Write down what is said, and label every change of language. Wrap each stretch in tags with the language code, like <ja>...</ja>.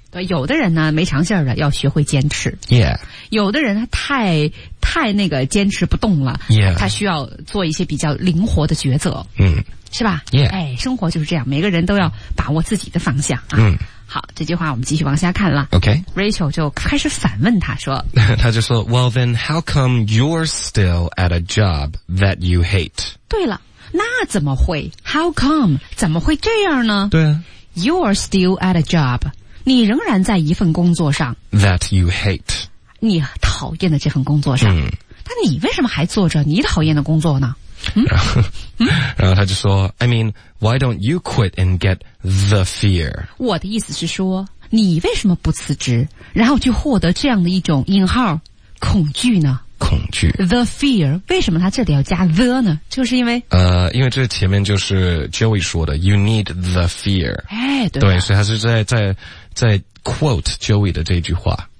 <zh>对，有的人呢没长性的要学会坚持。</zh> <en>Yeah.</en> <zh>有的人他太那个坚持不动了。</zh> <en>Yeah.</en> <zh>他需要做一些比较灵活的抉择。是吧？</zh> <en>Yeah.</en> <zh>哎，生活就是这样，每个人都要把握自己的方向啊。好，这句话我们继续往下看了。</zh> <en>Okay.</en> <zh>Rachel 就开始反问他说。他就说</zh> <en>,Well then, how come you're still at a job that you hate?</en> <zh>对了。那怎么会 ?</zh> <en>How come?</en> <zh>怎么会这样呢？对啊。</zh> <en>You're still at a job.</en> <zh>你仍然在一份工作上。</zh> <en>That you hate.</en> <zh>你讨厌的这份工作上。嗯。但你为什么还做着你讨厌的工作呢？嗯。然后他就说</zh> <en>,I mean, why don't you quit and get the fear?</en> <zh>我的意思是说你为什么不辞职然后去获得这样的一种引号恐惧呢？恐惧 ,</zh> <en>the fear,</en> <zh>为什么他这里要加 the 呢？就是因为因为这前面就是 Joey 说的 ,</zh> <en>you need the fear,</en> <zh>哎，对。对，所以他是在 quote Joey 的这句话。</zh>